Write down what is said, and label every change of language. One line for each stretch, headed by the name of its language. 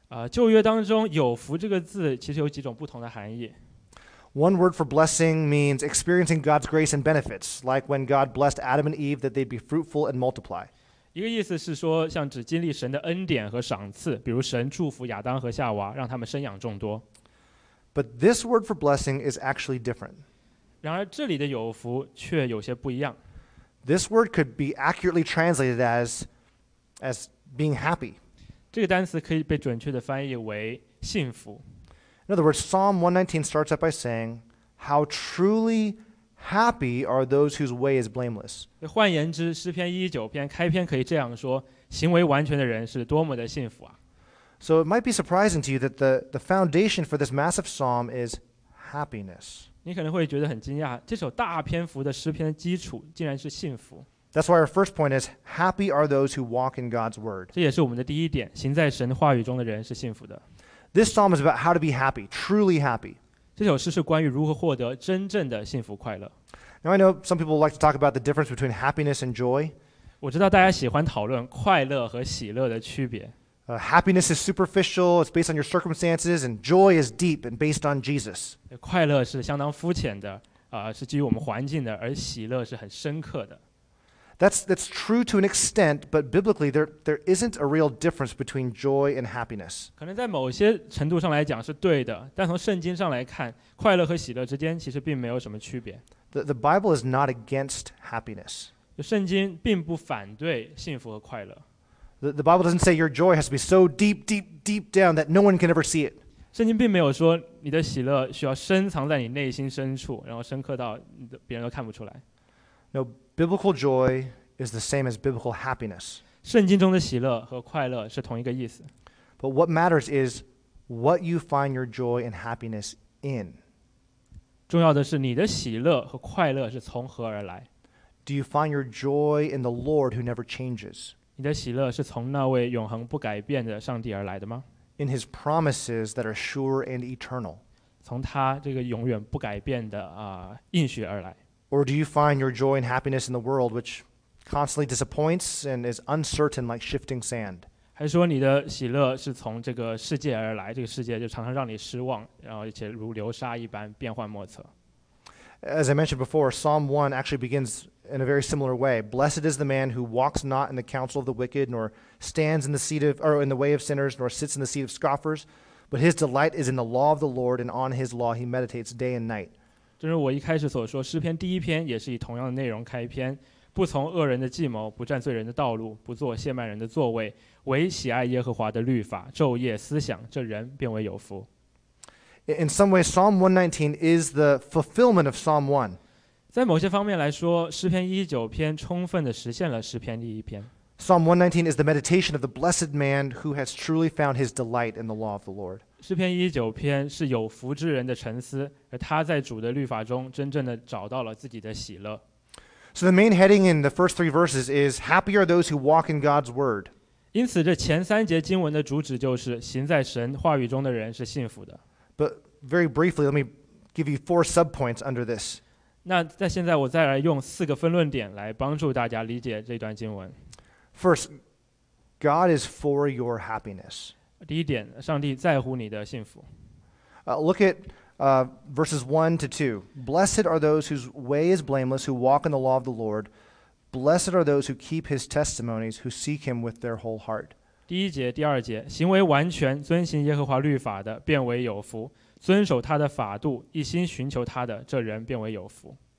Chinese: 旧约当中有福这个字其实有几种不同的含义。
English: One word for blessing means experiencing God's grace and benefits, like when God blessed Adam and Eve that they'd be fruitful and multiply.
Chinese: 一个意思是说像只经历神的恩典和赏赐比如神祝福亚当和夏娃让他们生养众多。
English: But this word for blessing is actually different.
Chinese: 然而这里的有福却有些不一样。
English: This word could be accurately translated as being happy.
Chinese: 这个单词可以被准确地翻译为幸福。
English: In other words, Psalm 119 starts out by saying, How truly happy are those whose way is blameless.
Chinese: 换言之，诗篇119篇开篇可以这样说，行为完全的人是多么的幸福啊。
English: So it might be surprising to you that the foundation for this massive psalm is happiness.
Chinese: 你可能会觉得很惊讶，这首大篇幅的诗篇的基础竟然是幸福。
English: That's why our first point is happy are those who walk in God's word.
Chinese: 这也是我们的第一点，行在神话语中的人是幸福的。
English: This psalm is about how to be happy, truly happy.
Chinese: 这首诗是关于如何获得真正的幸福快乐。
English: Now I know some people like to talk about the difference between happiness and joy.
Chinese: 我知道大家喜欢讨论快乐和喜乐的区别。
English: Happiness is superficial, it's based on your circumstances, and joy is deep and based on Jesus.
Chinese: 快乐是相当肤浅的，是基于我们环境的，而喜乐是很深刻的。
English: That's true to an extent, but biblically there isn't a real difference between joy and happiness.
Chinese: 可能在某些程度上来讲是对的，但从圣经上来看，快乐和喜乐之间其实并没有什么区别。
English: The Bible is not against happiness.
Chinese: 圣经并不反对幸福和快乐。
English: The Bible doesn't say your joy has to be so deep, deep, deep down that no one can ever see it.
Chinese: 圣经并没有说你的喜乐需要深藏在你内心深处，然后深刻到别人都看不出来。
English: No, biblical joy is the same as biblical happiness.
Chinese: 圣经中的喜乐和快乐是同一个意思。
English: But what matters is what you find your joy and happiness in.
Chinese: 重要的是你的喜乐和快乐是从何而来。
English: Do you find your joy in the Lord who never changes?
Chinese: 你的喜乐是从那位永恒不改变的上帝而来的吗？
English: In his promises that are sure and eternal.
Chinese: 从他这个永远不改变的应许而来。
English: Or do you find your joy and happiness in the world which constantly disappoints and is uncertain like shifting sand?
Chinese: 还说你的喜乐是从这个世界而来，这个世界就常常让你失望，然后而且如流沙一般变幻莫测。
English: As I mentioned before, Psalm 1 actually begins in a very similar way. Blessed is the man who walks not in the counsel of the wicked, nor stands in the seat of, or in the way of sinners, nor sits in the seat of scoffers, but his delight is in the law of the Lord, and on his law he meditates day and night.
Chinese: 正如我一开始所说，诗篇第一篇也是以同样的内容开篇，不从恶人的计谋，不占罪人的道路，不坐亵慢人的座位，唯喜爱耶和华的律法，昼夜思想，这人便为有福。
English: In some ways, Psalm 119 is the fulfillment of Psalm 1.
Chinese: 在某些方面来说，诗篇119篇充分地实现了诗篇第一篇。
English: Psalm 119 is the meditation of the blessed man who has truly found his delight in the law of the Lord.
Chinese: 诗篇119篇是有福之人的沉思，而他在主的律法中真正地找到了自己的喜乐。
English: So the main heading in the first three verses is, happy are those who walk in God's word.
Chinese: 因此这前三节经文的主旨就是，行在神话语中的人是幸福的。
English: But very briefly, let me give you four subpoints under this.
Chinese: 那在现在我再来用四个分论点来帮助大家理解这段经文。
English: First, God is for your happiness.
Chinese: 第一点，上帝在乎你的幸福。
English: Look at verses 1-2. Blessed are those whose way is blameless, who walk in the law of the Lord. Blessed are those who keep his testimonies, who seek him with their whole heart.
Chinese: 第一节第二节，行为完全遵行耶和华律法的便为有福，遵守他的法度，一心寻求他的，这人便为有福。